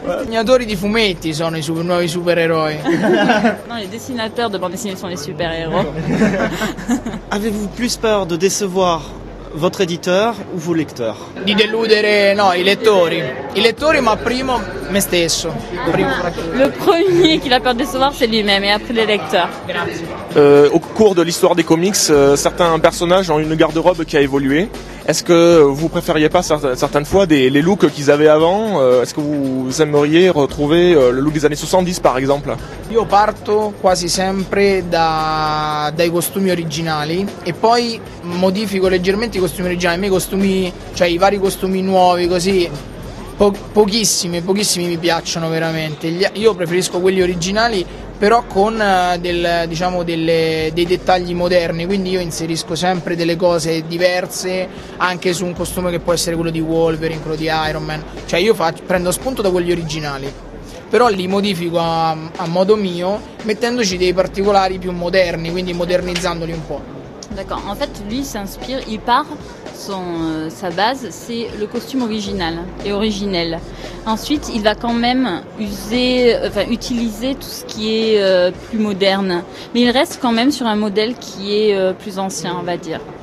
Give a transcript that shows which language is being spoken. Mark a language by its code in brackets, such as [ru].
[it] i disegnatori di fumetti sono i nuovi supereroi. [fr] Non, les dessinateurs de bande dessinée sont les supereroi. Avez-vous plus peur de décevoir votre éditeur ou vos lecteurs? [it] Di deludere, no, i lettori. I lettori, ma primo me stesso. [fr] Le premier qu'il a peur de décevoir, c'est lui-même, et après les lecteurs. Au cours de l'histoire des comics, certains personnages ont une garde-robe qui a évolué. Est-ce que vous préfériez pas certaines fois les looks qu'ils avaient avant? Est-ce que vous aimeriez retrouver le look des années 70, par exemple? [it] Io parto quasi sempre dai costumi originali e poi modifico leggermente i costumi originali. I miei costumi, cioè i vari costumi nuovi, così pochissimi mi piacciono veramente. Io preferisco quelli originali, però con dei dettagli moderni, quindi io inserisco sempre delle cose diverse anche su un costume che può essere quello di Wolverine, quello di Iron Man, cioè io prendo spunto da quelli originali, però li modifico a modo mio, mettendoci dei particolari più moderni, quindi modernizzandoli un po'. [fr] D'accord, en fait lui s'inspire, il part, sa base c'est le costume original et originel. Ensuite il va quand même utiliser tout ce qui est plus moderne, mais il reste quand même sur un modèle qui est plus ancien, on va dire.